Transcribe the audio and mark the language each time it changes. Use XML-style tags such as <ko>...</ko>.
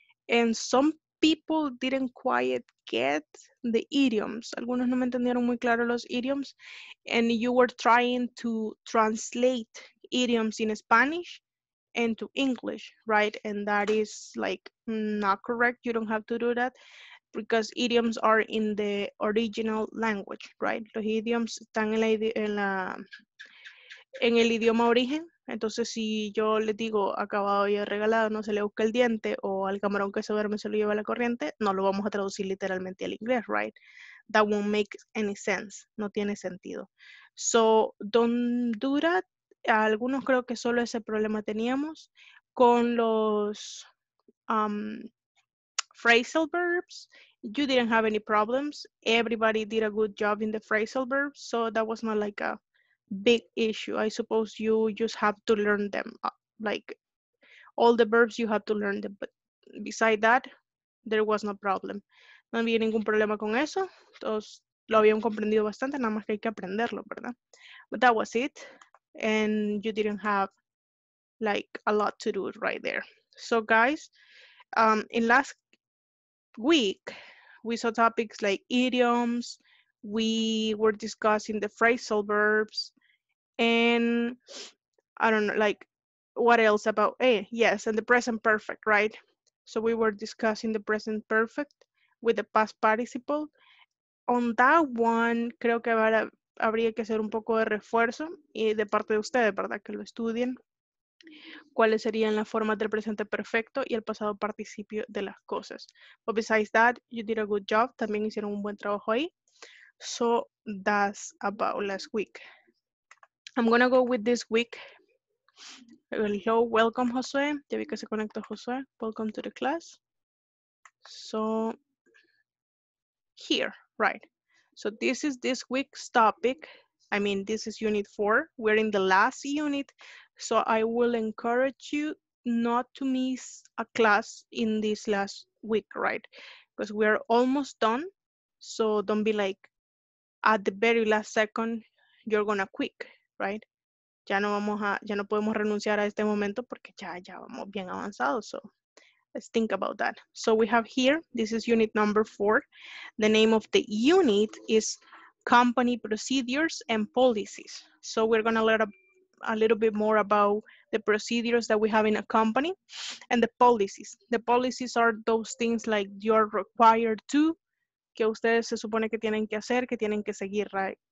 <en>And some people didn't quite get the idioms.</en> <es>Algunos no me entendieron muy claro los idioms.</es> <en>And you were trying to translate idioms in Spanish into English, right? And that is like not correct. You don't have to do that because idioms are in the original language, right?</en> <es>Los idioms están en el idioma origen. Entonces, si yo le digo acabado y regalado, no se le busca el diente, o al camarón que se duerme se lo lleva la corriente, no lo vamos a traducir literalmente al inglés, right?</es> <en>That won't make any sense.</en> <es>No tiene sentido.</es> <en>So, don't do that.</en> <es>a algunos creo que solo ese problema teníamos con los phrasal verbs.</es> <en>You didn't have any problems. Everybody did a good job in the phrasal verbs, so that was not like a big issue. I suppose you just have to learn them, like all the verbs you have to learn them, but beside that there was no problem.</en> <es>No había ningún problema con eso. Todos lo habían comprendido bastante, nada más que hay que aprenderlo, ¿verdad?</es> <en>But that was it. And you didn't have like a lot to do right there. So guys, in last week, we saw topics like idioms. We were discussing the phrasal verbs. And I don't know, like what else about, yes, and the present perfect, right? So we were discussing the present perfect with the past participle. On that one,</en> <es>creo que habría que hacer un poco de refuerzo y de parte de ustedes, ¿verdad? Que lo estudien. ¿Cuáles serían las formas del presente perfecto y el pasado participio de las cosas?</es> <en>But besides that, you did a good job.</en> <es>También hicieron un buen trabajo ahí.</es> <en>So that's about last week. I'm going to go with this week. Hello, welcome, Josué.</en> <es>Ya vi que se conectó Josué.</es> <en>Welcome to the class. So, here, right. So this is this week's topic. I mean, this is unit 4. We're in the last unit. So I will encourage you not to miss a class in this last week, right? Because we're almost done. So don't be like, at the very last second, you're gonna quit, right?</en> <es>Ya no vamos a, ya no podemos renunciar a este momento porque ya, ya vamos bien avanzados.</es> <en>So let's think about that. So we have here, this is unit number 4. The name of the unit is Company Procedures and Policies. So we're gonna learn a little bit more about the procedures that we have in a company and the policies. The policies are those things like you're required to,</en> <es>que ustedes se supone que tienen que hacer, que tienen que seguir,</es> <en>right?</en>